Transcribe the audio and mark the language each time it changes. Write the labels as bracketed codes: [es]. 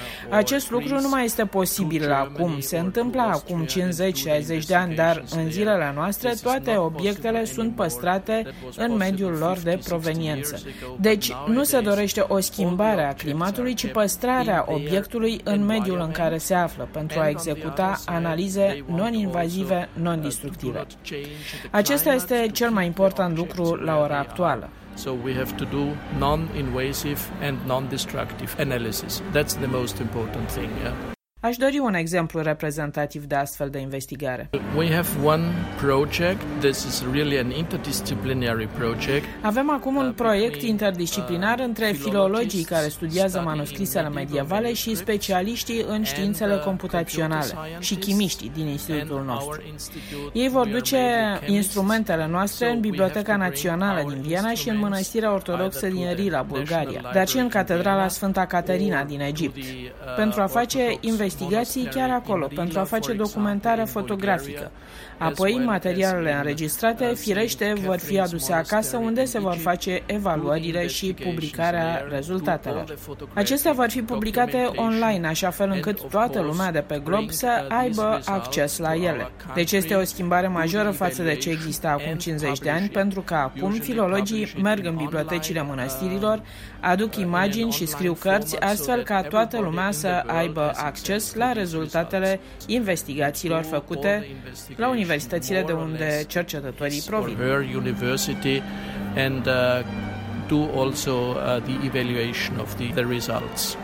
[ro] Acest lucru nu mai este posibil acum. Se întâmplă acum 50-60 de ani, dar în zilele noastre toate obiectele sunt păstrate în mediul lor de proveniență. Deci, nu se dorește o schimbare a climatului, ci păstrarea obiectului în mediul în care se află, pentru a executa analize non-invazive, non-destructive. Acesta este cel mai important lucru la ora actuală. [en] So we have to do non-invasive and non-destructive analysis. That's the most important thing, yeah? [ro] Aș dori un exemplu reprezentativ de astfel de investigare. [en] We have one project. This is really an interdisciplinary project. [ro] Avem acum un proiect interdisciplinar între filologii care studiază manuscrisele medievale și specialiștii în științele computaționale și chimiștii din institutul nostru. Ei vor duce instrumentele noastre în Biblioteca Națională din Viena și în Mănăstirea Ortodoxă din Rila, Bulgaria, dar și în Catedrala Sfânta Caterina din Egipt, pentru a face investigații chiar acolo, pentru a face documentare fotografică. Apoi, materialele înregistrate, firește, vor fi aduse acasă, unde se vor face evaluările și publicarea rezultatelor. Acestea vor fi publicate online, așa fel încât toată lumea de pe glob să aibă acces la ele. Deci este o schimbare majoră față de ce exista acum 50 de ani, pentru că acum filologii merg în bibliotecile mănăstirilor, aduc imagini și scriu cărți, astfel ca toată lumea să aibă acces la rezultatele investigațiilor făcute la universitățile de unde cercetătorii provin. [en] Her university and do also the evaluation of the results.